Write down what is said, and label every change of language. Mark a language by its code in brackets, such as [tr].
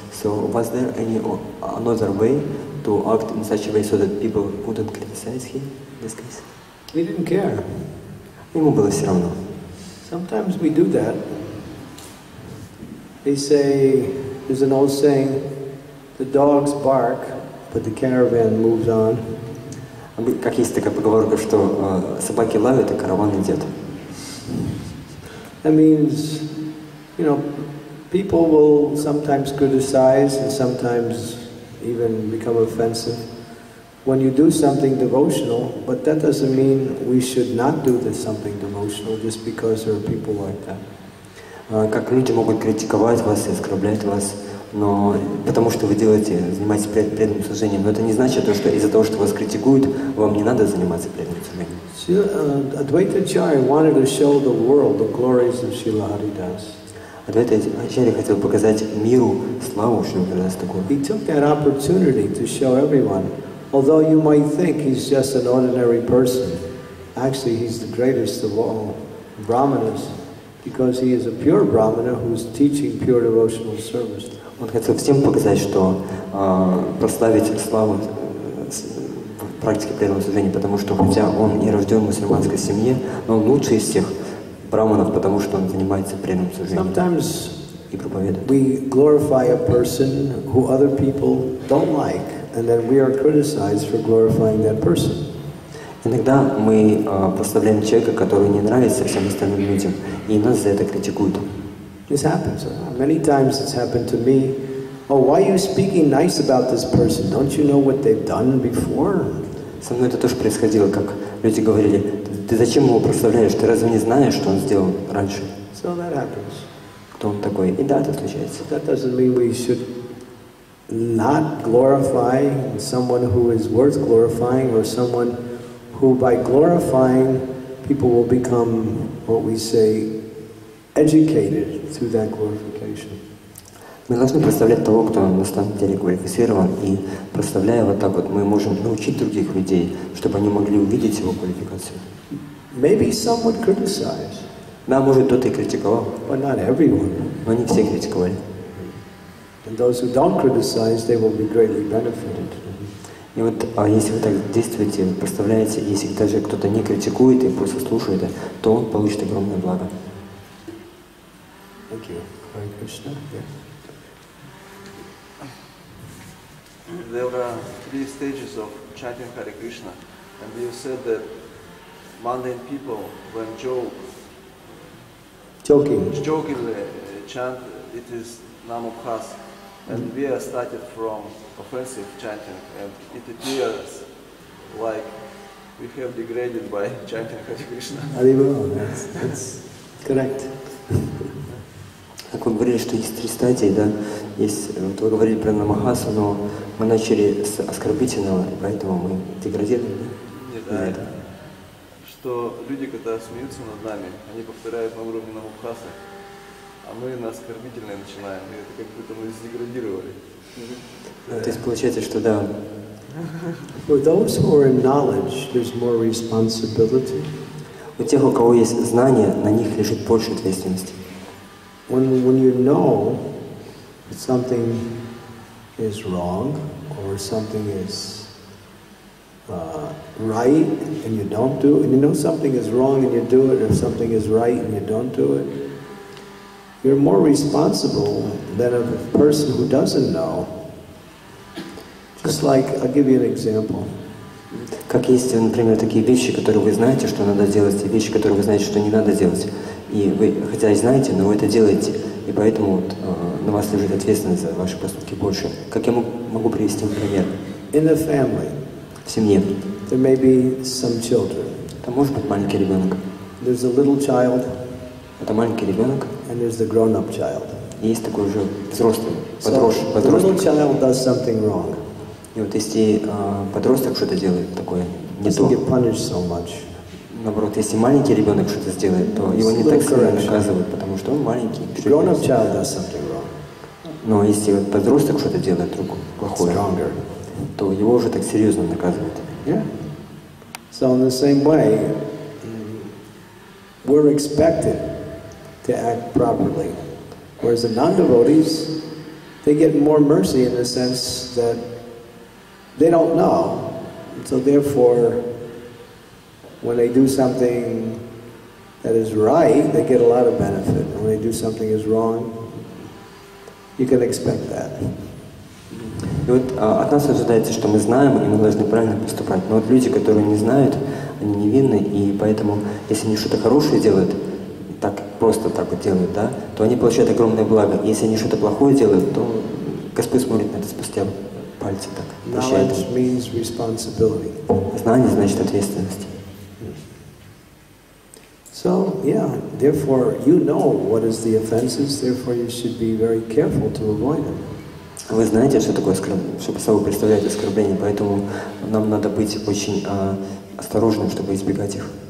[en] So, was there any another way to act in such a way so that people wouldn't criticize him in this case? He didn't care. [ru] Ему было все равно. [en] Sometimes we do that. They say, there's an old saying, the dogs bark, but the caravan moves on. [ru] Как есть такая поговорка, что собаки лают, а караван идет. [en] That means, you know, people will sometimes criticize and sometimes even become offensive when you do something devotional, but that doesn't mean we should not do this something devotional just because there are people like that. [ru] Как люди могут критиковать вас и оскорблять вас, но потому что вы делаете, занимаетесь преданным служением, но это не значит, что из-за того, что вас критикуют, вам не надо заниматься преданным служением. [en] Advaita Acharya wanted to show the world the glories of Srila Haridas. [ru] Advaita Acharya хотел показать миру славу Шрилы Харидаса Такура. [en] He took that opportunity to show everyone, although you might think he's just an ordinary person, actually he's the greatest of all brahmanas. Because he is a pure brahmana who is teaching pure devotional service. [ru] Он хотел всем показать, что прославить славу в практике преданного служения, потому что хотя он не рожден в мусульманской семье, но он лучший из всех брахманов, потому что он занимается преданным служением. [en] Sometimes [ru] и проповедует. [en] We glorify a person who other people don't like, and then we are criticized for glorifying that person. [ru] Иногда мы прославляем человека, который не нравится всем остальным людям, и нас за это критикуют. [en] This happens. Many times it's happened to me. Oh, why are you speaking nice about this person? Don't you know what they've done before? [ru] Со мной это тоже происходило, как люди говорили, ты зачем его прославляешь? Ты разве не знаешь, что он сделал раньше? [en] So that happens. [ru] Кто он такой? И да, это случается. [en] That doesn't mean we should not glorify someone who is worth glorifying or someone who by glorifying people will become what we say educated through that glorification. [ru] Мы должны прославлять того, кто на самом деле квалифицирован, и прославляя вот так вот, мы можем научить других людей, чтобы они могли увидеть его квалификацию. [en] Maybe some would criticize. [ru] Да, может кто-то и критиковал. [en] But not everyone. [ru] Но не все критиковали. [en] And those who don't criticize, they will be greatly benefited. [ru] И вот если вы так действуете, представляете, если даже кто-то не критикует и просто слушает, то он получит огромное благо. [en] Thank you. Hare Krishna. Yeah. There are three stages of chanting Hare Krishna. And you said that mundane people, when jokingly chant, it is namukhas. And we are started from offensive chanting, and it appears like we have degraded by chanting Hare Krishna. Hare Krishna, that's correct. [ru] Так вы говорили, что есть три стадии, да? Есть, вот вы говорили про намахасу, но мы начали с оскорбительного, и поэтому мы деградируем, да? Нет, а что люди, когда смеются над нами, они повторяют на уровне намахаса, а мы на оскорбительное начинаем, и это как будто мы деградировали. То есть получается, что да. [en] For those who are in knowledge, there's more responsibility. [ru] У тех, у кого есть знания, на них лежит больше ответственности. [en] When you know that something is wrong or something is right and you don't do it, and you know something is wrong and you do it, or something is right and you don't do it, you're more responsible than a person who doesn't know. Just like, I'll give you an example. [ru] Как есть, например, такие вещи, которые вы знаете, что надо делать, и вещи, которые вы знаете, что не надо делать. И вы, хотя и знаете, но вы это делаете. И поэтому вот, на вас лежит ответственность за ваши поступки больше. Как я могу привести пример? [en] In the family, [ru] в семье. [en] There may be some children. [ru] Там может быть маленький ребенок. [en] There's a little child. [ru] Это маленький ребенок. [en] And there's the grown-up child. [ru] И есть такой уже взрослый, подросток. [en] The little child does something wrong. [ru] И вот если подросток что-то делает такое, не то. [en] Get punished so much. [ru] Наоборот, если маленький ребенок что-то сделает, то [en] it's [ru] его не так сильно наказывают, потому что он маленький. [en] Grown-up child does something wrong. [ru] Но если вот подросток что-то делает вдруг плохое, [en] stronger, [ru] то его уже так серьезно наказывают. [en] Yeah. So in the same way, we're expected to act properly, whereas the non-devotees, they get more mercy in the sense that they don't know, so therefore, when they do something that is right, they get a lot of benefit. When they do something that is wrong, you can expect that. [ru] И вот от нас ожидается, что мы знаем, и мы должны правильно поступать. Но вот люди, которые не знают, они невинны, и поэтому, если они что-то хорошее делают, так просто так вот делают, да, то они получают огромное благо. Если они что-то плохое делают, то Господь смотрит на это спустя. [en] Knowledge means responsibility. [ru] Знание значит ответственность. [en] So, yeah, therefore you know what is the offenses, therefore you should be very careful to avoid them. [ru] Вы знаете, что такое оскорбление, чтобы собой представлять оскорбление, поэтому нам надо быть очень осторожным, чтобы избегать их.